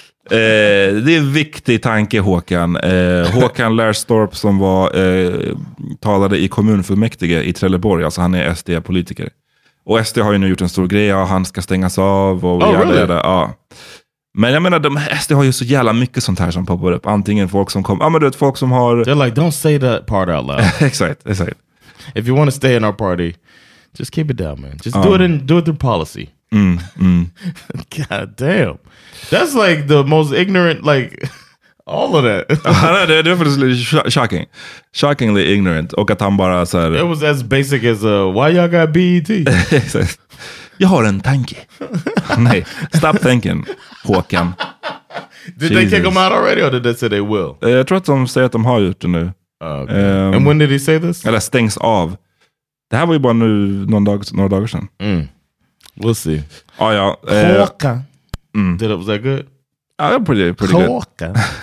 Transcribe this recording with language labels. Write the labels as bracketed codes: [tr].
[sv] Det är en viktig tanke, Håkan. Håkan Lärstorp som var talade i kommunfullmäktige i Trelleborg. Alltså han är SD-politiker. Och SD har ju nu gjort en stor grej. Ja, han ska stängas av. Och [en] oh, really? Där. [sv] Ja. Men jag menar, SD har ju så jävla mycket sånt här som poppar upp. Antingen folk som kommer, ja men du vet, folk som har... [en] They're like, don't say that part out loud. [sv] Exakt, exakt. [en] If you want to stay in our party, just keep it down, man. Just do it through policy. Mm, mm. God damn. That's like the most ignorant, like, all of that. [sv] Det är definitivt shocking. [en] Shockingly ignorant. [sv] Och att han bara så här... [en] It was as basic as, why y'all got BET? [sv] Exakt. Jag har en tanke. Nej, [en] stop thinking, [sv] Håkan. [en] Did Jesus. They kick him out already or did they say they will? [sv] Jag tror att de säger att de har gjort det nu. [en] Okay. And when did he say this? [sv] Eller stängs av. Det här var ju bara nu några dagar sedan. [en] Mm. We'll see. [sv] Ah, ja. [en] Håkan. Was that good? Ah, that was pretty Håkan. Good. Håkan.